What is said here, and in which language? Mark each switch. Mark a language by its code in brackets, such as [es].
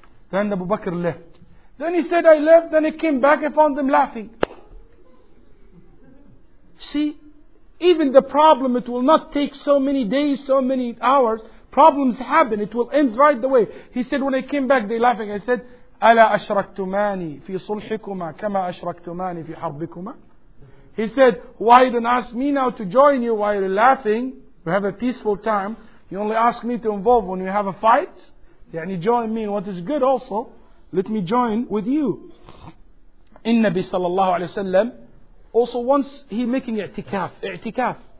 [en] Then Abu Bakr left. Then he said, I left. Then he came back upon them laughing. See, even the problem, it will not take so many days, so many hours. Problems happen. It will end right away. He said, when I came back, they laughing. I said, [ar] أَلَا أَشْرَكْتُمَانِي فِي صُلْحِكُمَا كَمَا أَشْرَكْتُمَانِي فِي حَرْبِكُمَا. [en] He said, why don't ask me now to join you while you're laughing? We have a peaceful time. You only ask me to involve when you have a fight. Yeah, and you join me. What is good also, let me join with you. In Nabi sallallahu alayhi wa sallam, also once he making i'tikaf.